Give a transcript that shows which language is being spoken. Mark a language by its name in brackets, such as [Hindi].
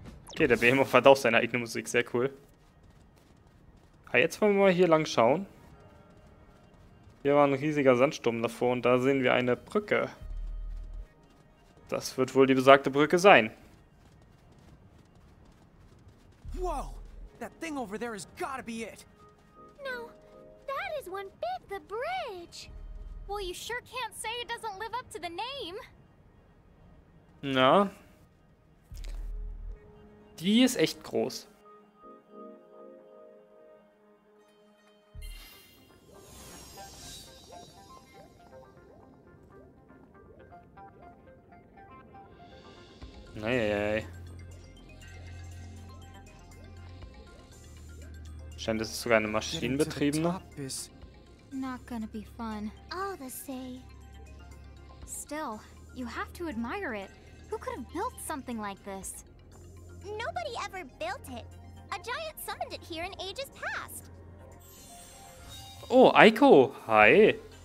[German] Okay, der Behemoth hat auch seine eigene Musik. Sehr cool. Ah, jetzt wollen wir mal hier lang schauen. Hier war ein riesiger Sandsturm davor und da sehen wir eine Brücke. Das wird wohl die besagte Brücke sein. [English] Wow, that thing over there has got to be it. No, that is one bit the bridge. Well, you sure can't say it doesn't live up to the name. [German] Na? Die ist echt groß. Eieiei. Scheint, es ist sogar eine maschinenbetriebene. [English] Not gonna be fun. All the same. Still, you have to admire it. Who could have built something like this? Nobody ever built it. A giant summoned it here in ages past. Oh, Aiko. Hi.